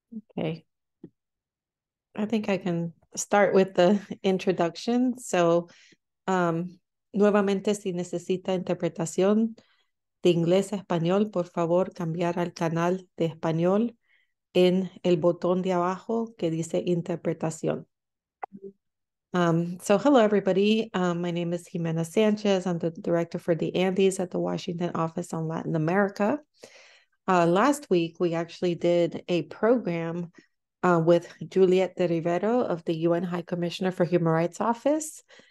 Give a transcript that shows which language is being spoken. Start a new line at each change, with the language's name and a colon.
English: Okay. I think I can start with the introduction.
Spanish: So, nuevamente, si necesita interpretación de inglés a español, por favor, cambiar al canal de español en el botón de abajo que dice interpretación.
English: So, hello, everybody. My name is Gimena Sánchez. I'm the director for the Andes at the Washington Office on Latin America. Last week, we actually did a program with Juliet de Rivero of the UN High Commissioner for Human Rights Office.